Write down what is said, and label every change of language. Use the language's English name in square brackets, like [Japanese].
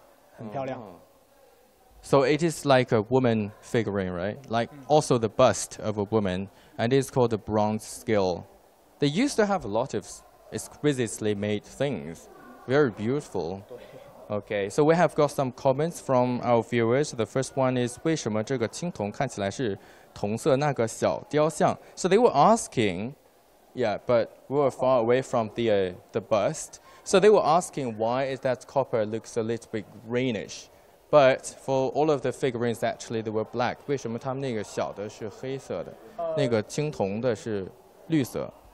[Chinese] 对，也是一个秤砣，秤砣对，特别是那个砣，那个造型是一个女性的，很漂亮。So [English] it is like a woman figurine, right? Like also the bust of a woman, and it's called the bronze scale. They used to have a lot of exquisitely made things, very beautiful. Okay, so we have got some comments from our viewers. The first one is, [Chinese] 为什么这个青铜看起来是铜色那个小雕像? [English] So they were asking, yeah, but we were far away from the bust. So they were asking why is that copper looks a little bit greenish. But for all of the figurines, actually, they were black. [Chinese] 为什么他们那个小的是黑色的,那个青铜的是绿色?